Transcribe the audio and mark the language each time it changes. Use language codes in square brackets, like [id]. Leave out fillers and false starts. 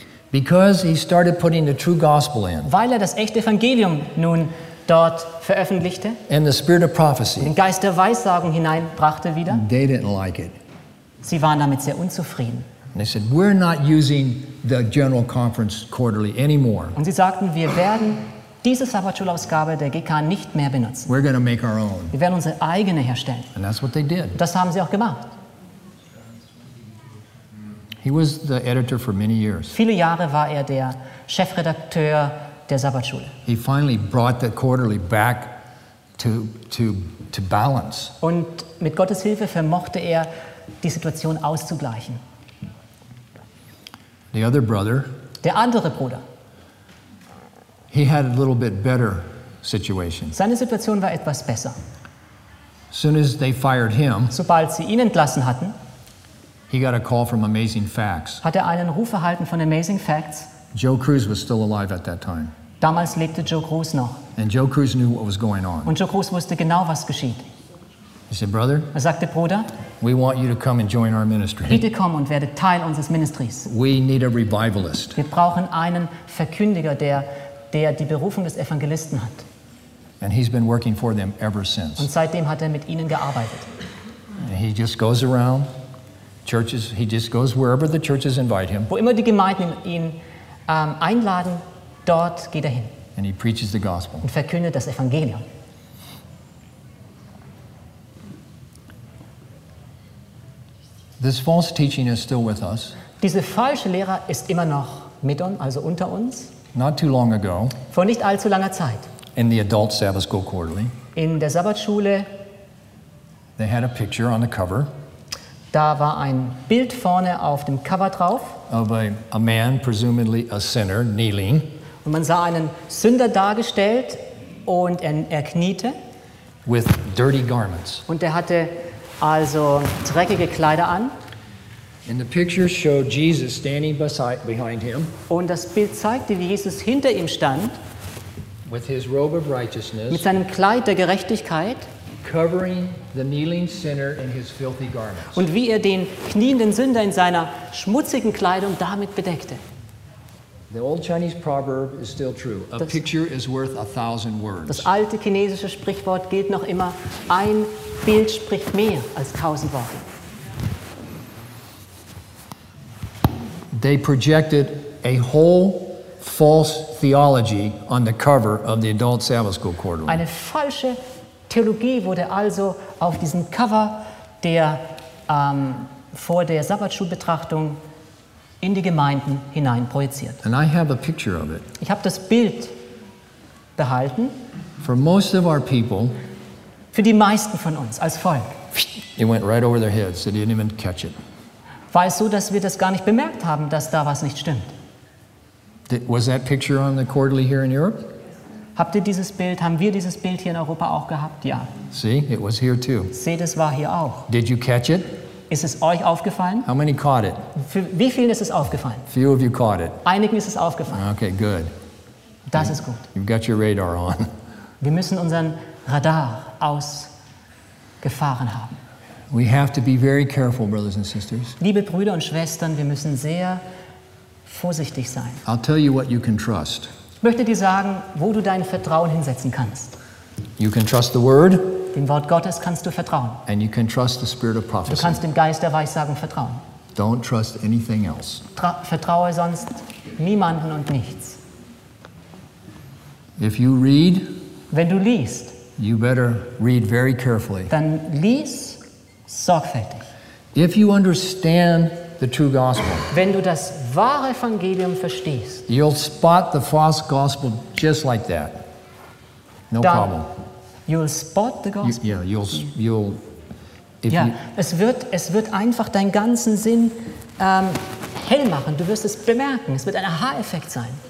[en] Because he started putting the true gospel in. [de] Weil er das echte Evangelium nun dort veröffentlichte. [en] And the spirit of prophecy. [de] Den Geist der Weissagung hineinbrachte wieder. [en] They didn't like it. [de] Sie waren damit sehr unzufrieden. [en] And they said, "We're not using the General Conference quarterly anymore." [de] Und sie sagten, wir werden diese Sabbatschulausgabe der GK nicht mehr benutzen. [en] We're going to make our own. [de] Wir werden unsere eigene herstellen. [en] And that's what they did. [de] Das haben sie auch gemacht. [en] He was the editor for many years. [de] Viele Jahre war er der Chefredakteur der Sabbatschule. [en] He finally brought the quarterly back to balance. [de] Und mit Gottes Hilfe vermochte er, die Situation auszugleichen. [en] The other brother. [de] Der andere Bruder. [en] He had a little bit better situation. [de] Seine Situation war etwas besser. [en] As soon as they fired him. [de] Sobald sie ihn entlassen hatten. [en] He got a call from Amazing Facts. [de] Hat er einen Ruf erhalten von Amazing Facts? [en] Joe Cruz was still alive at that time. [de] Damals lebte Joe Cruz noch. [en] And Joe Cruz knew what was going on. [de] Und Joe Cruz wusste genau, was geschieht. [en] He said, "Brother." [de] Er sagte, Bruder. [en] We want you to come and join our ministry. [de] Bitte komm und werde Teil unseres Ministries. [en] We need a revivalist. [de] Wir brauchen einen Verkündiger, der die Berufung des Evangelisten hat. [en] And he's been working for them ever since. [de] Und seitdem hat er mit ihnen gearbeitet. [en] And he just goes around. Churches, he just goes wherever the churches invite him. [de] Wo immer die Gemeinden ihn einladen, dort geht er hin. [en] And he preaches the gospel. [de] Und verkündet das Evangelium. [en] This false teaching is still with us. [de] Diese falsche Lehre ist immer noch mit uns, also unter uns. [en] Not too long ago. [de] Vor nicht allzu langer Zeit. [en] In the adult Sabbath school quarterly. [de] In der Sabbatschule. [en] They had a picture on the cover. [de] Da war ein Bild vorne auf dem Cover drauf. [en] Of a man, presumably a sinner, kneeling. [de] Und man sah einen Sünder dargestellt und er kniete. [en] With dirty garments. [de] Und er hatte also dreckige Kleider an. [en] And the picture showed Jesus standing behind him. [de] Und das Bild zeigte, wie Jesus hinter ihm stand. [en] With his robe of righteousness. [de] Mit seinem Kleid der Gerechtigkeit. [en] Covering the kneeling sinner in his filthy garments. [de] Und wie er den knienden Sünder in seiner schmutzigen Kleidung damit bedeckte. [en] The old Chinese proverb is still true. A picture is worth a thousand words. [de] Das alte chinesische Sprichwort gilt noch immer. Ein Bild spricht mehr als tausend Worte. [en] They projected a whole false theology on the cover of the adult Sabbath school quarterly. [de] Eine falsche Theologie wurde also auf diesem Cover der vor der Sabbatschulbetrachtung in die Gemeinden hinein projiziert. [en] And I have a picture of it. [de] Ich habe das Bild behalten. [en] For most of our people, [de] für die meisten von uns als Volk. [en] It went right over their heads. They didn't even catch it. [de] War es so, dass wir das gar nicht bemerkt haben, dass da was nicht stimmt? [en] Was that picture on the quarterly here in Europe? [de] Habt ihr dieses Bild, haben wir dieses Bild hier in Europa auch gehabt? Ja. [en] See, it was here too. [de] Seht, es war hier auch. [en] Did you catch it? [de] Ist es euch aufgefallen? [en] How many caught it? [de] Wie vielen ist es aufgefallen? [en] Few of you caught it. [de] Einigen ist es aufgefallen. [en] Okay, good. [de] Das ist gut. [en] You've got your radar on. [de] Wir müssen unseren Radar ausgefahren haben. [en] We have to be very careful, brothers and sisters. [de] Liebe Brüder und Schwestern, wir müssen sehr vorsichtig sein. [en] I'll tell you what you can trust. [de] Ich möchte dir sagen, wo du dein Vertrauen hinsetzen kannst. [en] You can trust the word. [de] Dem Wort Gottes kannst du vertrauen. [en] And you can trust the spirit of prophecy. [de] Du kannst dem Geist der Weissagung vertrauen. [en] Don't trust anything else. [de] Vertraue sonst niemanden und nichts. [en] If you read, [de] wenn du liest, [en] you better read very carefully. [de] Dann lies sorgfältig. [en] If you understand the true gospel. [de] Wenn du das wahre Evangelium verstehst. [en] You'll spot the false gospel just like that. No problem. You'll spot the gospel. You'll [de] es wird einfach deinen ganzen Sinn hell machen. Du wirst es bemerken. Es wird ein Aha-Effekt sein.